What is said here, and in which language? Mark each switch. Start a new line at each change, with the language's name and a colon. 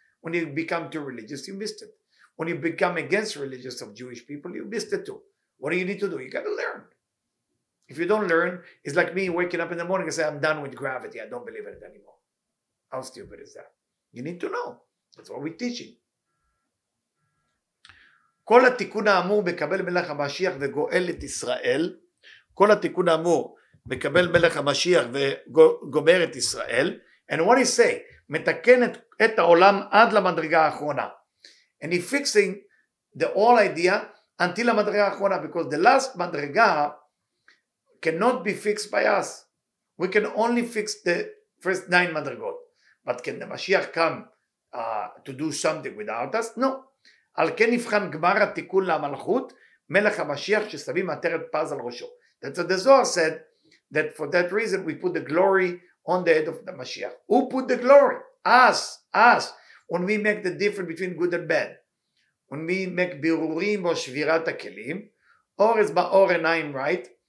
English: When you become too religious, you missed it. When you become against religious of Jewish people, you missed it too. What do you need to do? You got to learn. If you don't learn, it's like me waking up in the morning and say, I'm done with gravity. I don't believe in it anymore. How stupid is that? You need to know. That's what we're teaching.
Hebrew: כל התיקון האמור מקבל מלך המשיח וגואל את ישראל. כל התיקון האמור מקבל מלך המשיח וגומר את ישראל.
English: And what he say?
Hebrew: מתקן את העולם עד למדרגה האחרונה.
English: And he fixing the all idea until
Hebrew: המדרגה האחרונה.
English: Because the last מדרגה cannot be fixed by us. We can only fix the first 9 מדרגות. But can the משיח come to do something without us? No.
Hebrew: על כן נבחן גמר התיקון למלכות, מלך המשיח ששמים עטרת פז על ראשו.
English: That's what the Zohar said, that for that reason we put the glory on the head of the Mashiach. Who put the glory? Us. When we make the difference between good and bad. When we make birurim or שבירת הכלים, or it's באור עיניים, right?